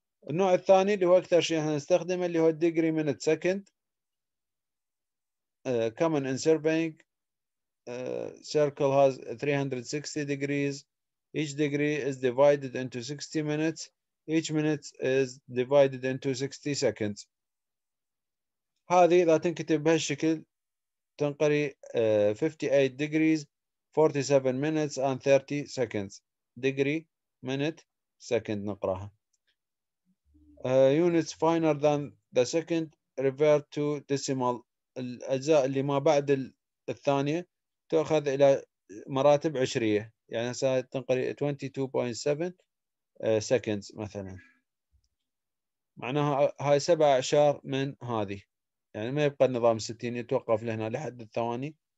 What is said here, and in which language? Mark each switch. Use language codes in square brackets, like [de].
[ar] النوع الثاني اللي هو [en] اكثر شيء هنستخدمه اللي هو degree minute second common in surveying circle has 360 degrees each degree is divided into 60 minutes each minute is divided into 60 seconds. [ar] هذه اذا تنكتب بهالشكل تنقري [en] 58 degrees 47 minutes and 30 seconds degree minute second [ar] نقراها. [en] Units finer than the second revert to decimal. [ar] الأجزاء اللي ما بعد الثانية تأخذ إلى مراتب عشرية. يعني هسه تنقري 22.7 seconds مثلا. معناها هاي 7 أعشار من هذه. يعني ما يبقى النظام 60 يتوقف لهنا لحد الثواني.